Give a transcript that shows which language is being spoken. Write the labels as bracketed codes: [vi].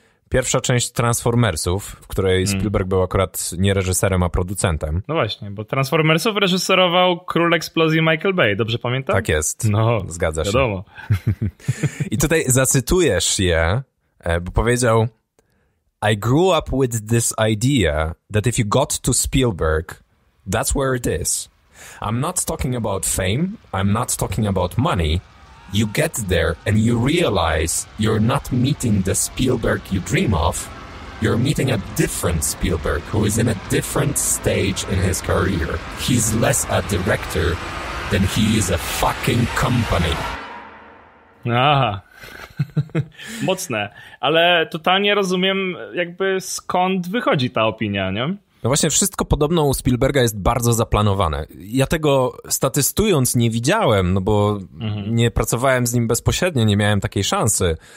[pl] Pierwsza część Transformersów, w której Spielberg był akurat nie reżyserem, a producentem. No właśnie, bo Transformersów reżyserował Król Eksplozji Michael Bay, dobrze pamiętam? Tak jest. No, zgadza się. Wiadomo. I tutaj zacytuję Shia, bo powiedział... [en] I grew up with this idea that if you got to Spielberg, that's where it is. I'm not talking about fame, I'm not talking about money. You get there and you realize you're not meeting the Spielberg you dream of. You're meeting a different Spielberg who is in a different stage in his career. He's less a director than he is a fucking company. Aha. [pl] Mocne, ale totalnie rozumiem jakby skąd wychodzi ta opinia, nie? No właśnie, wszystko podobno u Spielberga jest bardzo zaplanowane. Ja tego statystując nie widziałem, no bo nie pracowałem z nim bezpośrednio, nie miałem takiej szansy.